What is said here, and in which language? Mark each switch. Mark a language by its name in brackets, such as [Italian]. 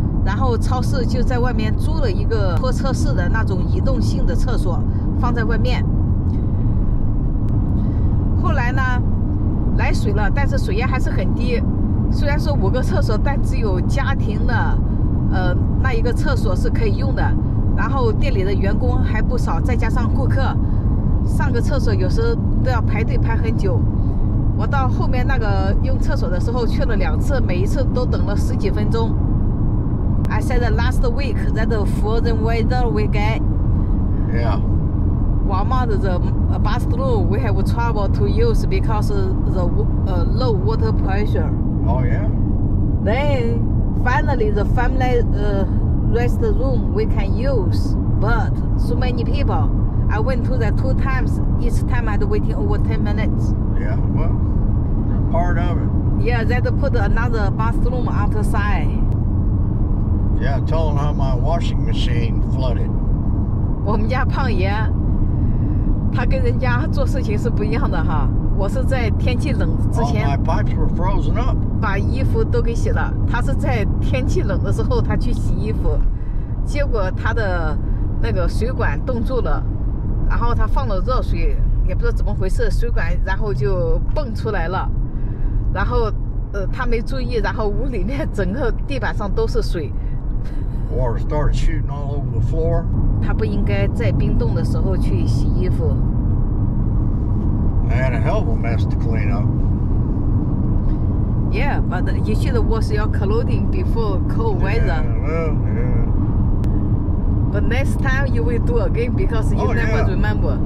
[Chinese] 然后超市就在外面租了一个拖车式的那种移动性的厕所放在外面，后来呢来水了，但是水压还是很低，虽然说五个厕所，但只有家庭的那一个厕所是可以用的，然后店里的员工还不少，再加上顾客上个厕所有时候都要排队排很久。我到后面那个用厕所的时候去了两次，每一次都等了十几分钟。 [English] I said last week that the frozen weather we get. Yeah. Walmart the bathroom we have trouble to use because the low water pressure. Oh yeah. Then finally the family restroom we can use, but so many people. I went to that 2 times. Each time I'd waiting over 10 minutes. Yeah, well, they're part of it. Yeah, they'd put another bathroom outside. Yeah, tell them how my washing machine flooded. [Chinese] 我们家胖爷，他跟人家做事情是不一样的哈。我是在天气冷之前。 [English] All my pipes were frozen up. [Chinese] 把衣服都给洗了。他是在天气冷的时候他去洗衣服，结果他的那个水管冻住了，然后他放了热水，也不知道怎么回事，水管然后就蹦出来了，然后他没注意，然后屋里面整个地板上都是水。 [English] Water started shooting all over the floor. [Chinese] 他不应该在冰冻的时候去洗衣服。 [English] I had a hell of a mess to clean up. Yeah, but you should wash your clothing before cold weather. Yeah, well, yeah. But next time you will do again because you never remember.